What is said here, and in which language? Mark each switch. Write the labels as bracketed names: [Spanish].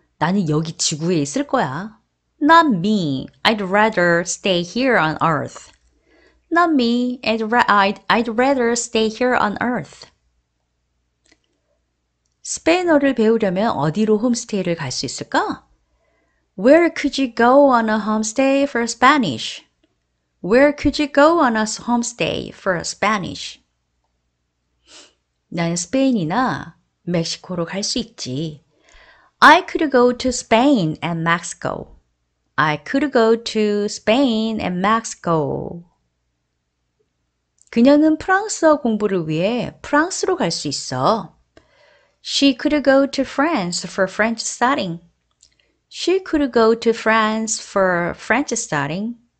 [Korean] 나는 여기 지구에 있을 거야. [English] Not me. I'd rather stay here on Earth. Not me. I'd rather stay here on Earth. [Korean] 스페인어를 배우려면 어디로 홈스테이를 갈 수 있을까? [English] Where could you go on a homestay for Spanish? Where could you go on a homestay for Spanish? [Korean] 나는 스페인이나 멕시코로 갈 수 있지. [English] I could go to Spain and Mexico. I could go to Spain and Mexico. [Korean] 그녀는 프랑스어 공부를 위해 프랑스로 갈 수 있어. [English] She could go to France for French studying. She could go to France for French studying.